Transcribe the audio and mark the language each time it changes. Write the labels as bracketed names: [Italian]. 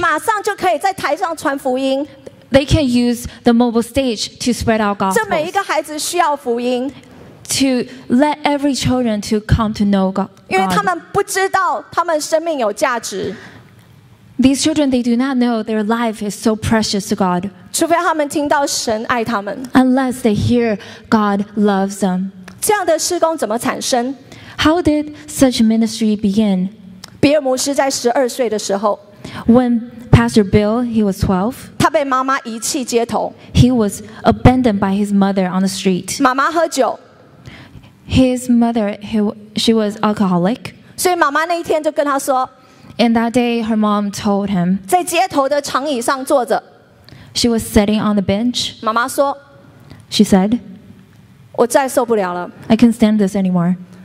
[Chinese] 马上就可以在台上传福音。 [English] They can use the mobile stage to spread out gospel. [Chinese] 这每一个孩子需要福音 [English] ，to let every children to come to know God， [Chinese] 因为他们不知道他们生命有价值。 [English] These children, they do not know their life is so precious to God. [Chinese] 除非他们听到神爱他们。 [English] Unless they hear God loves them. [Chinese] 这样的事工怎么产生？ [English] How did such ministry begin? [Chinese] 比尔牧师在12岁的时候。 [English] When Pastor Bill, he was 12. [Chinese] 他被妈妈遗弃街头。 [English] He was abandoned by his mother on the street. [Chinese] 妈妈喝酒。 [English] His mother, she was alcoholic. [Chinese] 所以妈妈那一天就跟他说。 [English] And that day, her mom told him. [Chinese] 在街头的长椅上坐着。 [English] She was sitting on the bench. [Chinese] 妈妈说。 [English] She said, [Chinese] 我再受不了了。 [English] I can't stand this anymore.